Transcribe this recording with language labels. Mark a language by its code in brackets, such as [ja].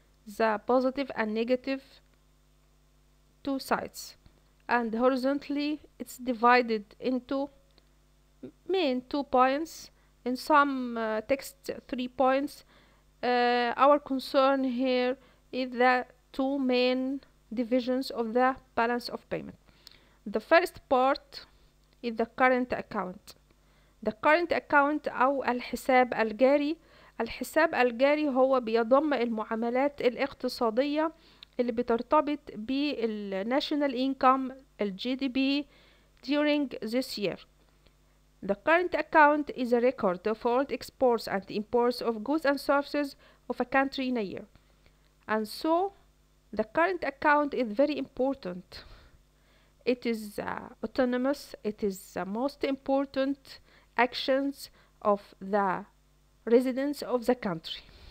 [en] the positive and negative two sides, and horizontally it's divided into main 2 points, in some text 3 points. Our concern here is the two main divisions of the balance of payment. The first part is the current account. The current account [ar] أو الحساب الجاري. الحساب الجاري هو بيضم المعاملات الاقتصادية اللي بترتبط بال national income, الجي دي بي, [en] during this year. The current account is a record of all exports and imports of goods and services of a country in a year. And so, the current account is very important. It is autonomous. It is the most important actions of the residents of the country.